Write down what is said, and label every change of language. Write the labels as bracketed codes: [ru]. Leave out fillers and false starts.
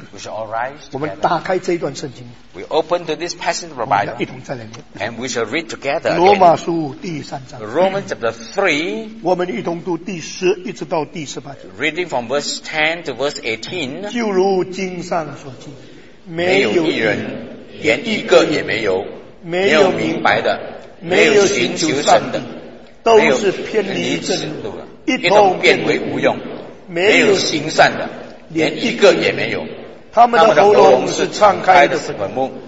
[en] We shall all rise together. [zh] 我们打开这一段圣经。 [en] We open to this passage of the Bible. [zh] 我们要一同站在里面。 [en] And we shall read together. [zh] 罗马书第三章。 [en] Romans chapter 3. [zh] 我们一同读第十一直到第十八节。 [en] Reading from verse 10 to verse 18. [zh] 就如经上所记，没有一人，连一个也没有。没有明白的，没有寻求神的，都是偏离正路的，一同变为无用。没有行善的，连一个也没有。他们的喉咙是敞开的坟墓，